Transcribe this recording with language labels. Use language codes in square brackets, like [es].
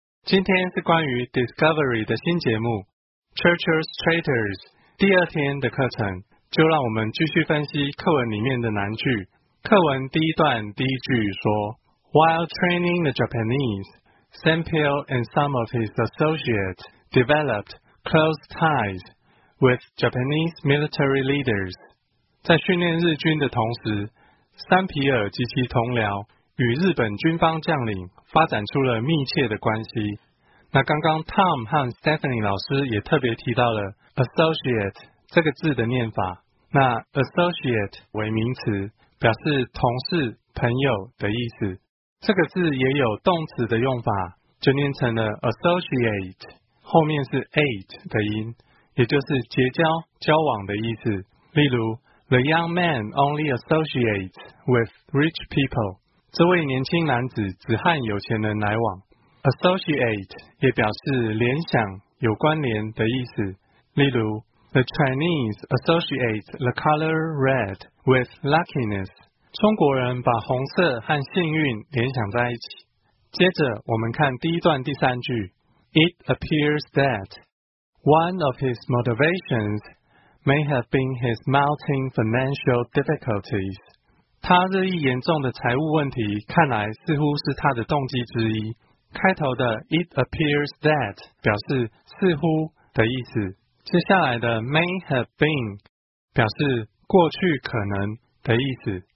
[zh] 今天是关于 Discovery 的新节目 Churchill's Traitors 第二天的课程，就让我们继续分析课文里面的难句。课文第一段第一句说 [en] ，While training the Japanese, Sam Peel and some of his associates developed close ties with Japanese military leaders. [zh] 在训练日军的同时，三皮尔及其同僚与日本军方将领发展出了密切的关系。那刚刚 Tom 和 Stephanie 老师也特别提到了 associate 这个字的念法。那 associate 为名词，表示同事、朋友的意思。这个字也有动词的用法，就念成了 associate。后面是 ate 的音，也就是结交、交往的意思。例如 [en] ，The young man only associates with rich people。 [zh] 这位年轻男子只和有钱人来往。 Associate 也表示联想、有关联的意思。例如 [en] ，The Chinese associate the color red with luckiness。 [zh] 中国人把红色和幸运联想在一起。接着，我们看第一段第三句。 [en] It appears that one of his motivations may have been his mounting financial difficulties. [zh] 他日益严重的财务问题看来似乎是他的动机之一。开头的 [en] it appears that [zh] 表示似乎的意思。接下来的 [en] may have been [zh] 表示过去可能的意思。